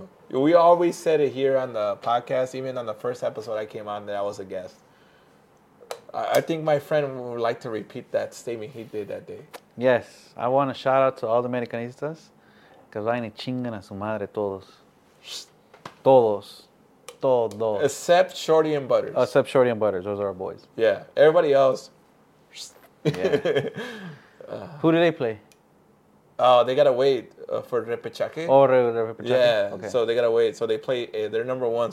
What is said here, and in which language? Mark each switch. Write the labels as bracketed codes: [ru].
[en] We always said it here on the podcast, even on the first episode I came on that I was a guest. I think my friend would like to repeat that statement he did that day. Yes. I want to shout out to all the Americanistas. [es] Que vayan y chingan a su madre todos. Todos. Todos. [en] Except Shorty and Butters. Except Shorty and Butters. Those are our boys. Yeah. Everybody else. Who do they play? They got to wait for Repechaque. Oh, Repechaque. Yeah. Okay. So they got to wait. So they play. They're number one.